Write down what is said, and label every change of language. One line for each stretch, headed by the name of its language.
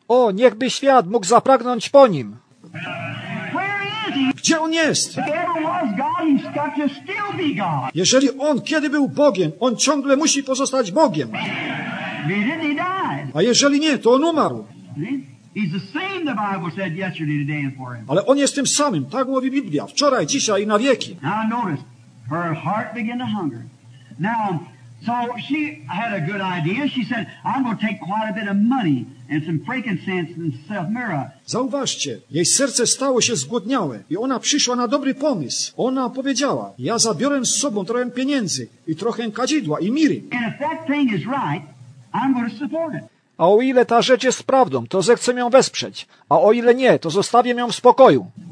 Polish: O, niechby świat mógł zapragnąć po nim.
English: Where is he?
Polish: Gdzie on jest?
English: If he ever was God, he's got to still be God.
Polish: Jeżeli on kiedy był Bogiem, on ciągle musi pozostać Bogiem.
English: He didn't, he died.
Polish: A jeżeli nie, to on umarł.
English: He's the same, the Bible said yesterday, today, and forever.
Polish: Ale on jest tym samym, tak mówi Biblia, wczoraj, dzisiaj i na wieki.
English: Now notice, her heart began to hunger. Now, so she had a good idea. She said, I'm going to take quite a bit of money and some frankincense and myrrh.
Polish: Zauważcie, jej serce stało się zgłodniałe i ona przyszła na dobry pomysł. Ona powiedziała, ja zabiorę z sobą trochę pieniędzy i trochę kadzidła i miry.
English: And if that thing is right, I'm going to support it.
Polish: A o ile ta rzecz jest prawdą, to zechcę ją wesprzeć. A o ile nie, to zostawię ją w spokoju.